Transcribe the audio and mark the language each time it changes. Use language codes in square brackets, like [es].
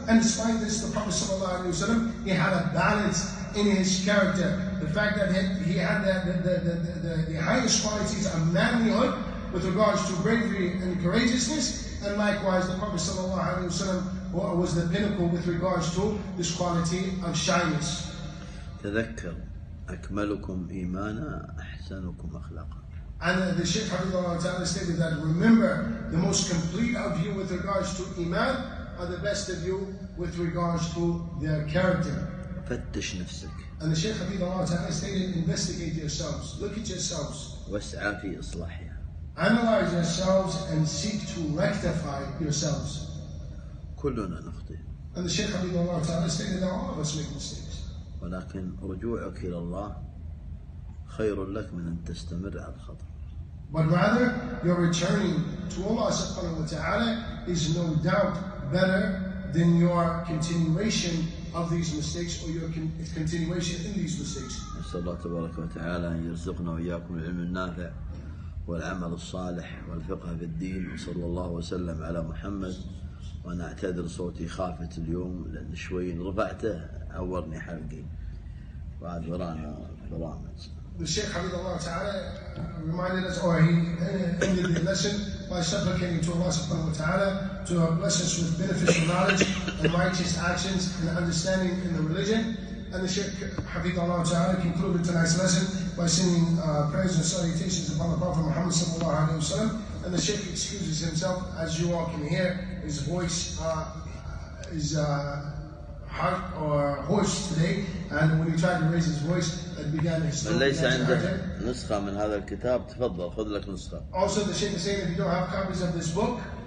[en] And despite this, the Prophet sallallahu alayhi wa sallam, he had a balance in his character. The fact that he had the highest qualities of manlyhood with regards to bravery and courageousness, and likewise the Prophet sallallahu alayhi wa sallam was the pinnacle with regards to this quality of shyness. [ar] تذكر أكملكم إيمانا أحسنكم أخلاقا. [en] And the Shaykh Hafidhullah ta'ala stated that remember, the most complete of you with regards to Iman are the best of you with regards to their character. [ar] فتش نفسك. [en] And the Shaykh Hafidhullah ta'ala stated, investigate yourselves, look at yourselves. [ar] واسعى في إصلاحها. [en] Analyze yourselves and seek to rectify yourselves. [ar] كلنا نخطئ. [en] And the Shaykh Hafidhullah ta'ala stated that all of us make mistakes. [ar] ولكن رجوعك إلى الله خير لك من أن تستمر على الخطأ. [en] But rather, your returning to Allah subhanahu wa ta'ala is no doubt better than your continuation of these mistakes, or your continuation in these mistakes. [ar] نسأل الله تبارك وتعالى أن يرزقنا وإياكم العلم النافع والعمل الصالح والفقه في الدين، وصلى الله وسلم على محمد. وأنا أعتذر صوتي خافت اليوم لأن شوي رفعته عورني حلقي بعد ورانا برامج. [en] The Shaykh Hafidhullah ta'ala reminded us, or he ended the lesson by supplicating to Allah subhanahu wa ta'ala to bless us with beneficial knowledge and righteous actions and understanding in the religion. And the Shaykh Hafidhullah ta'ala concluded tonight's lesson by singing prayers and salutations upon the Prophet Muhammad sallallahu alayhi wa sallam. And the Shaykh excuses himself, as you all can hear, his voice is hard or hoarse today. And when he tried to raise his voice, [ar] ليس عندك نسخة من هذا الكتاب، تفضل خذ لك نسخة. [en] Also the Shaykh is saying if you don't have copies of this book.